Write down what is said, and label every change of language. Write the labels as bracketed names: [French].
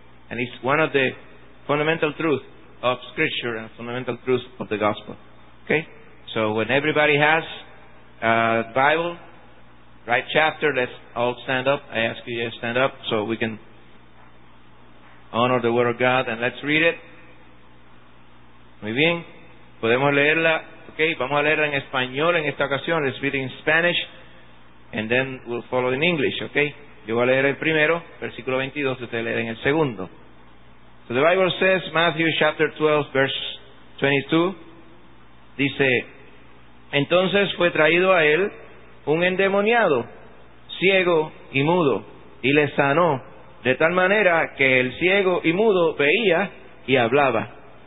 [English] And it's one of the fundamental truths of Scripture and fundamental truths of the Gospel. Okay? So when everybody has a Bible, right chapter, let's all stand up. I ask you to stand up so we can honor the Word of God, and let's read it. [Spanish] Muy bien. Podemos leerla. Okay, vamos a leerla en español en esta ocasión. [English] Let's read it in Spanish, and then we'll follow in English, okay? [Spanish] Yo voy a leer el primero, versículo 22, usted lee en el segundo. [English] So the Bible says, Matthew chapter 12, verse 22, [Spanish] dice, entonces fue traído a él un endemoniado, ciego y mudo, y le sanó, de tal manera que el ciego y mudo veía y hablaba.